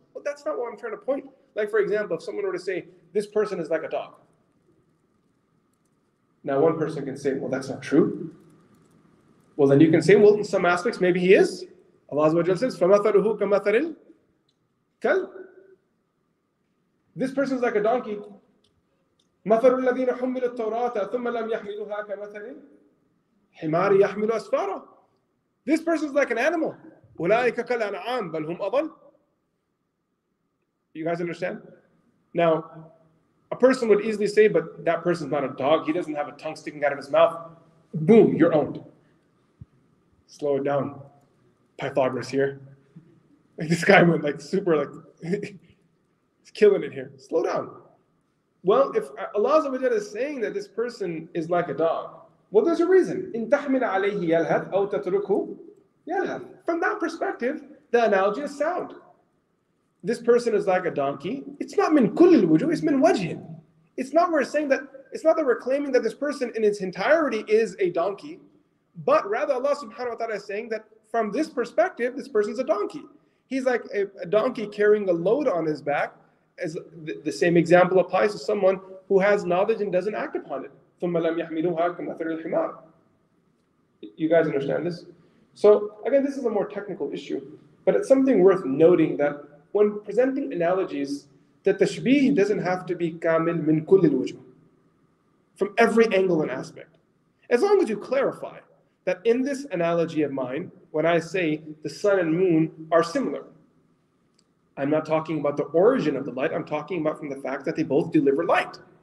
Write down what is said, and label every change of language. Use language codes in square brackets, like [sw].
[en] Well, that's not what I'm trying to point. Like for example, if someone were to say, this person is like a dog. Now one person can say, well, that's not true. Well, then you can say, well, in some aspects, maybe he is. Allah Azza wa Jalla says, فَمَثَلُهُ كَمَثَلِ الْكَلْبِ This person is like a donkey. [ar] مَثَلُ الَّذِينَ حُمِّلُوا التَّوْرَاةَ ثُمَّ لَمْ يَحْمِلُوهَا كَمَثَلِ حِمَارِ يَحْمِلُوا أَسْفَارَ This person is like an animal. أُولَٰئِكَ كَالْأَنْعَامِ بَلْ هُمْ أَضَلُّ You guys understand? [en] Now, a person would easily say, but that person is not a dog. He doesn't have a tongue sticking out of his mouth. Boom, you're owned. Slow it down. Pythagoras here. This guy went like super like, he's killing it here. Slow down. Well, if Allah subhanahu wa ta'ala is saying that this person is like a dog, well, there's a reason. إِن تَحْمِلَ عَلَيْهِ يَلْهَثْ أَوْ تَتْرُكُهُ يَلْهَثْ From that perspective, the analogy is sound. This person is like a donkey. It's not min kulli al-wujuh, it's min wajhin. It's not we're saying that, it's not that we're claiming that this person in its entirety is a donkey, but rather Allah subhanahu wa ta'ala is saying that from this perspective, this person's a donkey. He's like a donkey carrying a load on his back. As the same example applies to someone who has knowledge and doesn't act upon it. [ar] ثُمَّ لَمْ يَحْمِلُهَا كَمَثَلِ الْحِمَارِ You guys understand this? [en] So again, this is a more technical issue, but it's something worth noting that when presenting analogies, that the tashbih doesn't have to be كَامِلْ مِنْ كُلِّ الْوُجْهِ From every angle and aspect. As long as you clarify that in this analogy of mine, when I say the sun and moon are similar, I'm not talking about the origin of the light, I'm talking about from the fact that they both deliver light.